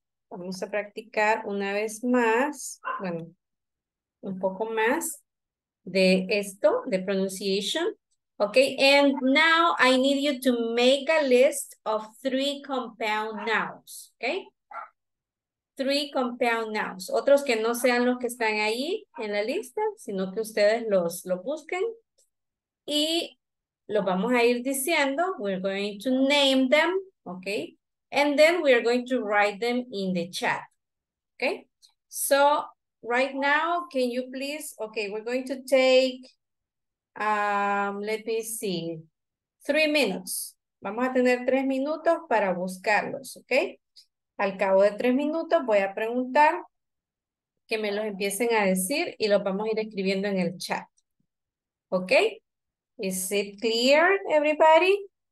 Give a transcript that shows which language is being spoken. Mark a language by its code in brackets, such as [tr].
[es] Vamos a practicar una vez más, bueno, un poco más de esto, de pronunciation. [en] Okay, and now I need you to make a list of three compound nouns, okay? Three compound nouns. [es] Otros que no sean los que están ahí en la lista, sino que ustedes los busquen. Y lo vamos a ir diciendo, [en] we're going to name them, [es] okay? [en] And then we are going to write them in the chat, okay? So right now, can you please, okay, we're going to take, let me see, 3 minutes. [es] Vamos a tener 3 minutos para buscarlos, okay? Al cabo de 3 minutos voy a preguntar que me los empiecen a decir y los vamos a ir escribiendo en el chat, okay? [en] Is it clear, everybody?